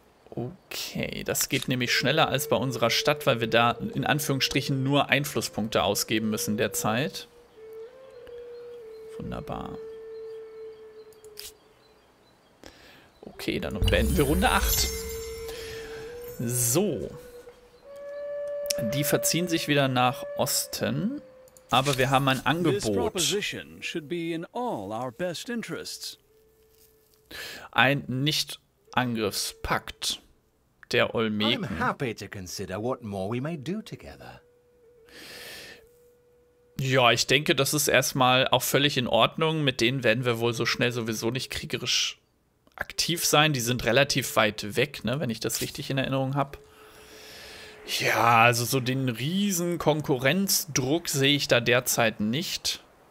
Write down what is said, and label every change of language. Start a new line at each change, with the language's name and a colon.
German: Okay, das geht nämlich schneller als bei unserer Stadt, weil wir da in Anführungsstrichen nur Einflusspunkte ausgeben müssen derzeit. Wunderbar. Okay, dann beenden wir Runde 8. So. Die verziehen sich wieder nach Osten, aber wir haben ein Angebot.
English: This proposition should be in all our best interests.
German: Ein Nicht-Angriffspakt. Der Olmeken.
English: I'm happy to consider what more we may do together.
German: Ja, ich denke, das ist erstmal auch völlig in Ordnung. Mit denen werden wir wohl so schnell sowieso nicht kriegerisch aktiv sein. Die sind relativ weit weg, ne, wenn ich das richtig in Erinnerung habe. Ja, also so den riesen Konkurrenzdruck sehe ich da derzeit nicht.